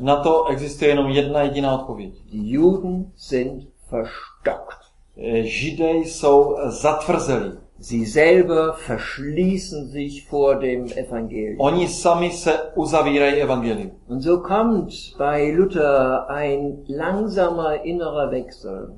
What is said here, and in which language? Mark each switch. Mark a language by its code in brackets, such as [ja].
[cs] Na to existuje jenom jedna jediná odpověď. [de] Die Juden sind verstockt. [cs] Židé jsou zatvrzeli. [de] Sie selber verschließen sich vor dem Evangelium. [cs] Oni sami se uzavírají evangelium. [de] Und so kommt bei Luther ein langsamer innerer Wechsel.